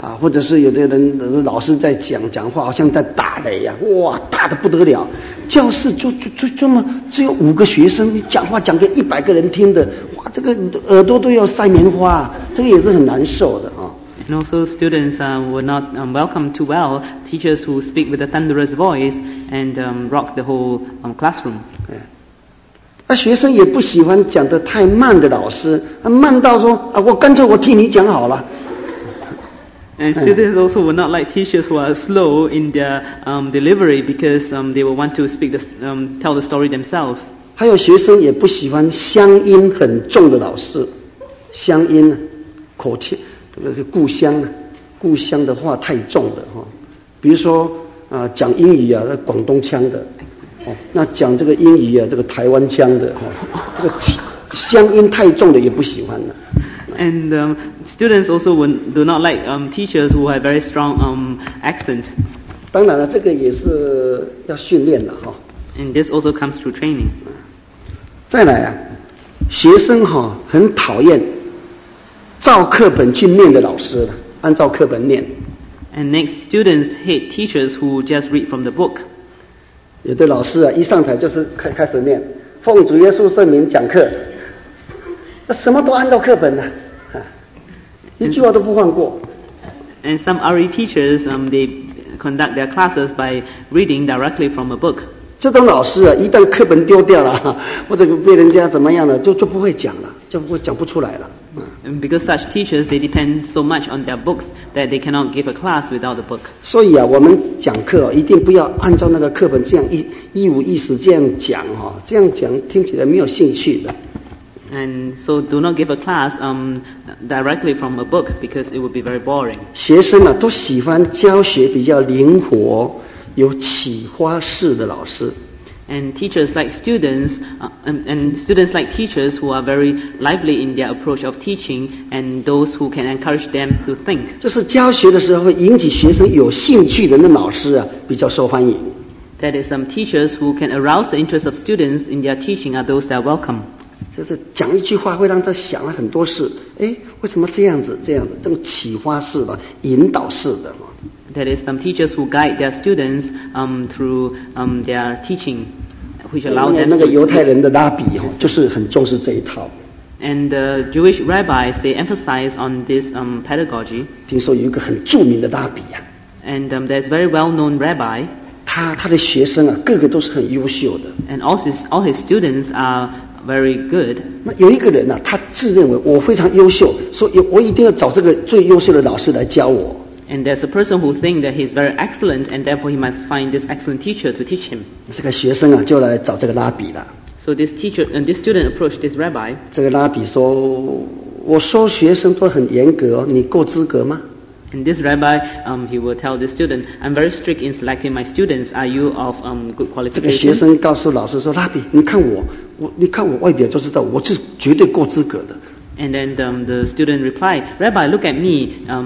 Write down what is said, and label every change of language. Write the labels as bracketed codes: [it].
[zh] 啊，或者是有的人老师在讲话，好像在打雷呀、啊，哇，大的不得了。教室就这么只有五个学生，你讲话讲给100个人听的，哇，这个耳朵都要塞棉花，这个也是很难受的啊。 [en] And also, students were not welcome too well. Teachers who speak with a thunderous voice and rock the whole classroom. [zh] 那学生也不喜欢讲得太慢的老师，慢到说啊，我干脆我替你讲好了。 [en] And students also would not like teachers who are slow in their delivery because they will want to speak tell the story themselves. [zh] 还有学生也不喜欢乡音很重的老师，乡音，口气，故乡的话太重的哈，比如说讲英语啊，广东腔的。哦、那讲这个英语啊，这个台湾腔的、哦、这个乡音太重的也不喜欢的。 [en] And students also do not like teachers who have very strong accent. [zh] 当然了，这个也是要训练的、哦、 [en] And this also comes through training. [zh] 再来啊，学生、哦、很讨厌照课本去念的老师，按照课本念。 [en] And next, students hate teachers who just read from the book. [zh] 有的老师啊，一上台就是开始念，奉主耶稣圣名讲课，那什么都按照课本呢、啊，一句话都不放过。 [en] And some RE teachers, they conduct their classes by reading directly from a book. [zh] 这种老师啊，一旦课本丢掉了，或者被人家怎么样了，就不会讲了，就不会讲不出来了。 [en] And because such teachers, they depend so much on their books. That they cannot give a class without the book. [zh] 所以啊，我们讲课、哦、一定不要按照那个课本这样一五一十这样讲哈、哦，这样讲听起来没有兴趣的。 [en] And so do not give a class directly from a book because it would be very boring. [zh] 学生啊，都喜欢教学比较灵活、有启发式的老师。 [en] and teachers like students and students like teachers who are very lively in their approach of teaching and those who can encourage them to think. [zh] 就是教学的时候引起学生有兴趣的那老师啊，比较受欢迎。 [en] That is some teachers who can arouse the interest of students in their teaching are those that are welcome. [zh] 就是讲一句话会让他想了很多事，哎，为什么这样子这样子，这种启发式的引导式的。 [en] That is some teachers who guide their students through their teaching, which allow them. [zh] 那个犹太人的拉比哈，就是很重视这一套。 [en] And the Jewish rabbis they emphasize on this pedagogy. [zh] 听说有一个很著名的拉比呀。 [en] And there's very well-known rabbi. [zh] 他的学生啊，个个都是很优秀的。 [en] And all his students are very good. [zh] 那有一个人呢，他自认为我非常优秀，说我一定要找这个最优秀的老师来教我。 [en] And there's a person who thinks that he's very excellent, and therefore he must find this excellent teacher to teach him. [zh] 这个学生啊，就来找这个拉比了。 [en] So this teacher and this student approached this rabbi. [zh] 这个拉比说：“我收学生都很严格，你够资格吗？” [en] And this rabbi, he will tell the student, "I'm very strict in selecting my students. Are you of good qualification?" [zh] 这个学生告诉老师说：“拉比，你看我，你看我外表就知道，我是绝对够资格的。” [en] And then the student replied, "Rabbi, look at me.